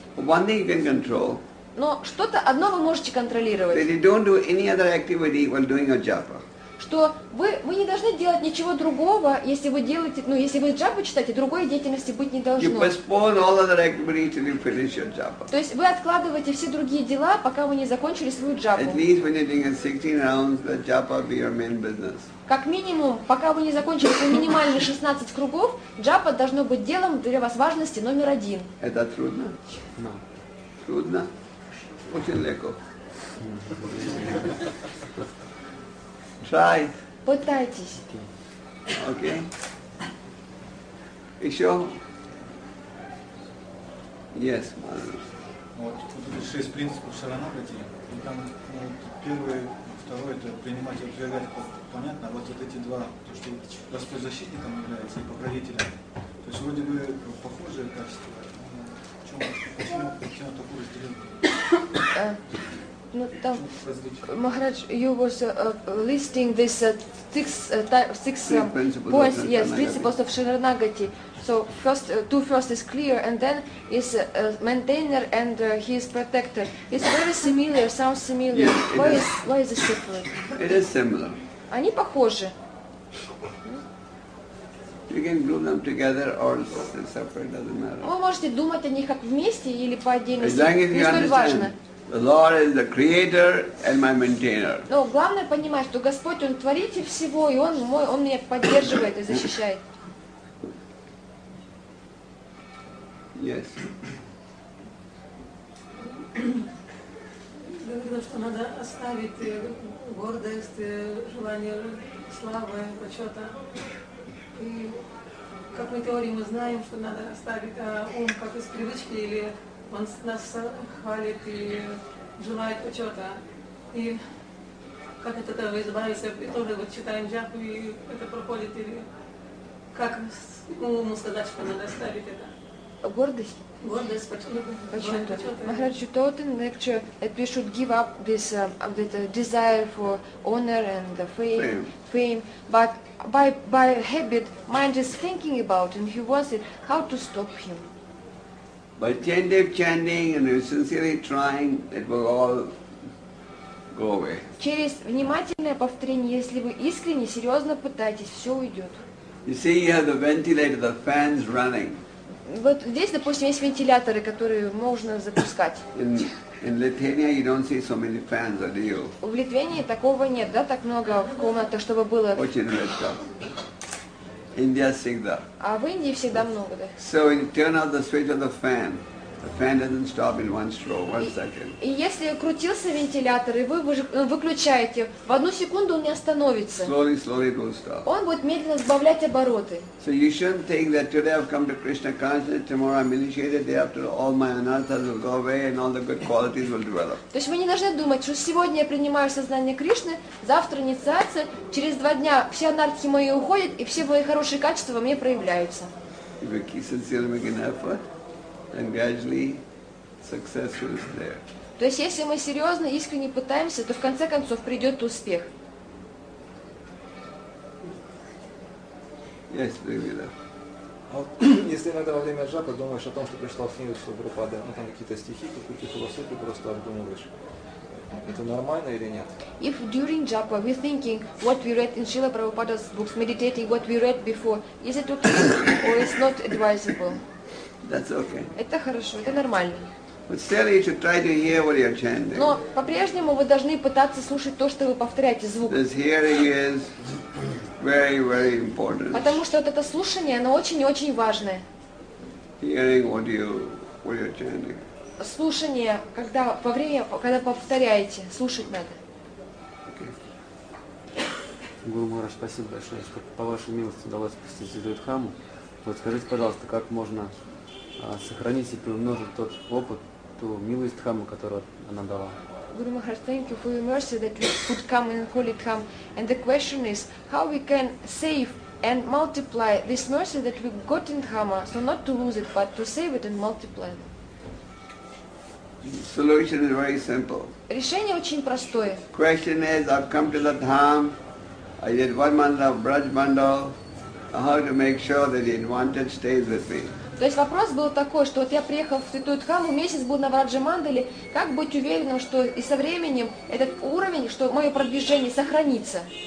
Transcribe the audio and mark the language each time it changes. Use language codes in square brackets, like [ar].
[en] One thing you can control. [ru] Но что-то одно вы можете контролировать. [en] That you don't do any other activity while doing your japa. [ru] Что вы не должны делать ничего другого, если вы делаете, ну, если вы джапу читаете, другой деятельности быть не должно. [en] You postpone all other activities till you finish your japa. [ru] То есть вы откладываете все другие дела, пока вы не закончили свою джапу. [en] At least when you're doing 16 rounds, the japa be your main business. [ru] Как минимум, пока вы не закончили свои минимальные 16 кругов, джапа должно быть делом для вас важности номер один. Это трудно? [en] No. [ru] Трудно? Очень легко. [en] Try. [ru] Пытайтесь. Okay. Еще? [en] Yes, Мадхава. [ru] Вот тут 6 принципов шаранагати. И там первое, второе, это принимать и отвергать, понятно. Вот эти два, то, что Господь защитником является и покровителем. То есть вроде бы похожие качества. Почему такое разделение? [en] No, там, Махарадж, you was listing these six points, yes, principles of Sharanagati. So first, two first is clear, and then is maintainer and he is protector. It's very similar, sounds similar. Yes, why is it similar? It is similar. [ru] Они похожи. [en] You can group them together or separate, doesn't matter. [ru] Вы можете думать о них как вместе или по отдельности. [en] As long as you understand. The Lord is the creator and my maintainer. [ru] Но главное понимать, что Господь, Он творитель всего, и Он мой, Он меня поддерживает и защищает. [en] Yes. [ru] Говорила, что надо оставить гордость, желание славы, почета. И как мы теории, мы знаем, что надо оставить ум как из привычки или Он нас хвалит и желает почета. И как от этого избавиться? И тоже вот читаем джапу, и это проходит. Или как ему сказать, что надо оставить это? [en] Gordas, you told in lecture that we should give up this desire for honor and fame, but by habit, mind is thinking about and he wants it. How to stop him? By 10 days of chanting and sincerely trying, it will all go away. [ru] Через внимательное повторение, если вы искренне, серьезно пытаетесь, все уйдет. [en] You see, you have the ventilator, the fans running. [ru] Вот здесь, допустим, есть вентиляторы, которые можно запускать. [en] In Lithuania, you don't see so many fans, do you? [ru] В Литвении такого нет, да, так много в комнатах, чтобы было. Очень редко. India всегда. А в Индии всегда много, да. [en] So when you turn off the switch of the fan doesn't stop in one stroke, one second. [ru] И если крутился вентилятор, и вы выключаете, в одну секунду он не остановится. [en] Slowly, slowly it will stop. [ru] Он будет медленно сбавлять обороты. [en] So you shouldn't think that today I've come to Krishna consciousness, tomorrow I'm initiated, day after all my anarthas will go away and all the good qualities will develop. [ru] То есть вы не должны думать, что сегодня я принимаю сознание Кришны, завтра инициация, через два дня все анартхи мои уходят, и все мои хорошие качества во мне проявляются. [en] If you keep sincerely making effort, and gradually success is there. [ru] То есть если мы серьезно, искренне пытаемся, то в конце концов придет успех. [en] Yes, maybe that. [ru] Вот, если иногда во время джапы думаешь о том, что пришла в книгу Шилупада, ну там какие-то стихи, какую-то философию просто обдумываешь, это нормально или нет? [en] If during japa we thinking what we read in Srila Prabhupada's books, meditating what we read before, is it okay or it's not advisable? That's okay. [ru] Это хорошо, это нормально. [en] But still you should try to hear what you're chanting. [ru] Но по-прежнему вы должны пытаться слушать то, что вы повторяете, звук. [en] This hearing is very, very important. [ru] Потому что вот это слушание, оно очень и очень важное. [en] Hearing what you, what you're chanting. [ru] Слушание, когда во время, когда повторяете, слушать надо. [en] Okay. [ru] Гуру Махарадж, спасибо большое, что по вашей милости удалось посетить Джайдхаму. Вот скажите, пожалуйста, как можно сохранить и приумножить тот опыт, ту милость Дхаму, которую она дала. [en] Guru Maharaj, thank you for your mercy that you could come in Holy Dham. And the question is, how we can save and multiply this mercy that we got in Dhamma, so not to lose it, but to save it and multiply it. Solution is very simple. [ru] Решение очень простое. [en] Question is, I've come to the Dhamma, I did one month of Braj Mandal, how to make sure that the advantage stays with me. [ru] То есть вопрос был такой, что вот я приехал в Святую Дхаму, месяц был на Враджа-мандале, как быть уверенным, что и со временем этот уровень, что мое продвижение сохранится?